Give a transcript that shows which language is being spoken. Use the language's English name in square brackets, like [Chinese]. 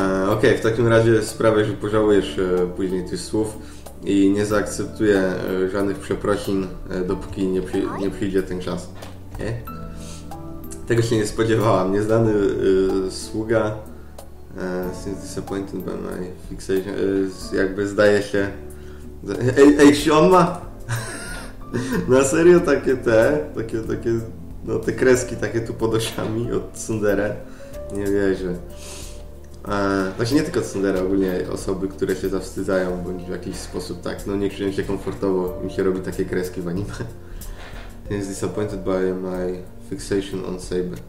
[Polish] Okej, w takim razie sprawię, że pożałujesz później tych słów. I nie zaakceptuję żadnych przeprosin, dopóki nie przyjdzie ten czas. Nie? Tego się nie spodziewałam. Nieznany sługa [English] seems disappointed by my fixation. [Polish] Jakby zdaje się... Ej, czy on ma? Na serio takie te? Takie, no te kreski takie tu pod osiami od tsundere? Nie wierzę. Właśnie nie tylko tsundere, ogólnie osoby, które się zawstydzają bądź w jakiś sposób tak, no nie czują się komfortowo, mi się robi takie kreski w anime. Jest [English] disappointed by my fixation on Saber.